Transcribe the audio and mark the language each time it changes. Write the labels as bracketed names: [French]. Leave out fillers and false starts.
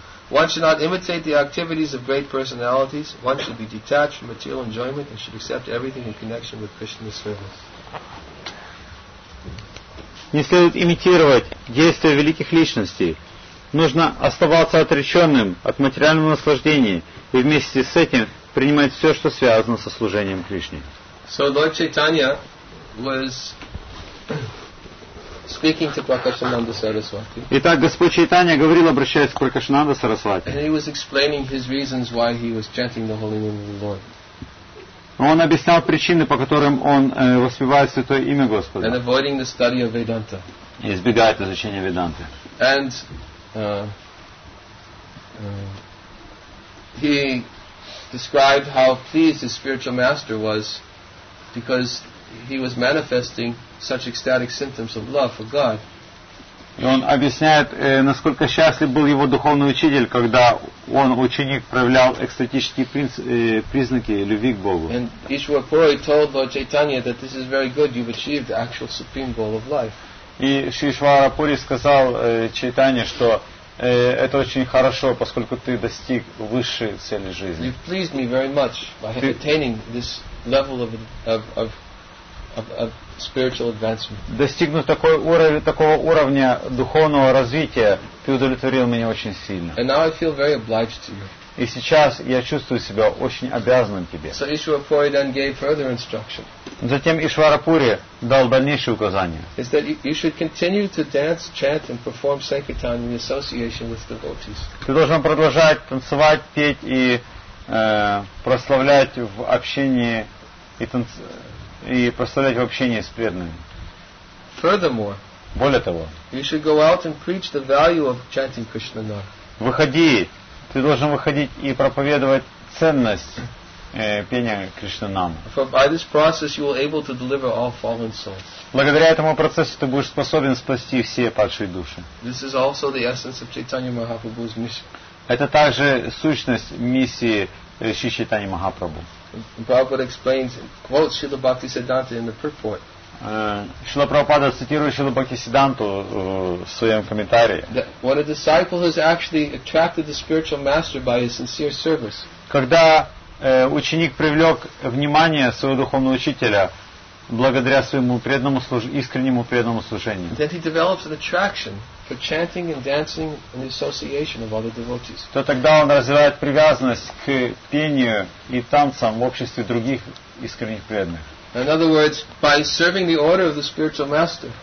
[English] One should not imitate the activities of great personalities. One should be detached from material enjoyment and should accept everything in connection with Krishna's service. [Russian] Не следует имитировать действия великих личностей. Нужно оставаться отреченным от материального наслаждения и вместе с этим принимать все, что связано со служением Кришне. [English] So Lord Chaitanya was speaking to Prakashananda Saraswati. [Russian] Итак, Господь Чайтанья говорил, обращаясь к Пракашананда Сарасвати. [English] And he was explaining his reasons why he was chanting the holy name of the Lord. [Russian] Он объяснял причины, по которым он воспевает святое имя Господа. [English] And avoiding the study of Vedanta. [Russian] И избегает изучения Веданты. [English] And he described how pleased his spiritual master was because he was manifesting such ecstatic symptoms of love for God. [Russian] И он объясняет, насколько счастлив был его духовный учитель, когда он, ученик, проявлял экстатические признаки любви к Богу. [English] And Ishwarpuri told Lord Chaitanya that this is very good, you've achieved the actual supreme goal of life. [Russian] И Ишварапури сказал Чайтанье, что это очень хорошо, поскольку ты достиг высшей цели жизни. [English] You've pleased me very much by attaining this level of spiritual advancement. [Russian] Достигнув такой уровень, такого уровня духовного развития, ты удовлетворил меня очень сильно. [English] And now I feel very obliged to you. [Russian] И сейчас я чувствую себя очень обязанным тебе. [English] So Ishwarapuri then gave further instruction. [Russian] Затем Ишварапури дал дальнейшие указания. [English] Is that you should continue to dance, chant, and perform sankirtan in association with devotees. [Russian] Ты должен продолжать танцевать, петь и прославлять в общении и прославлять в общении с преданными. [English] Furthermore, [Russian] более того, [English] you should go out and preach the value of chanting Krishna Nam. [Russian] Выходи. Ты должен выходить и проповедовать ценность пения Кришна-нама. Благодаря этому процессу ты будешь способен спасти все падшие души. [English] This is also the essence of Chaitanya Mahaprabhu's mission. [Russian] Это также сущность миссии Шри Чайтаньи Махапрабху. [English] Prabhupada explains, quotes Śrīla Bhaktisiddhānta in the purport. [Russian] Шрила Прабхупада цитирует Шрилу Бхактисиддханту в своем комментарии. [English] When a disciple has actually attracted the spiritual master by his sincere service. [Russian] Когда ученик привлек внимание своего духовного учителя благодаря своему преданному искреннему преданному служению. [English] Then he develops an attraction for chanting and dancing in the association of other devotees. [Russian] То тогда он развивает привязанность к пению и танцам в обществе других искренних преданных. [English] In other words, by serving the order of the spiritual master.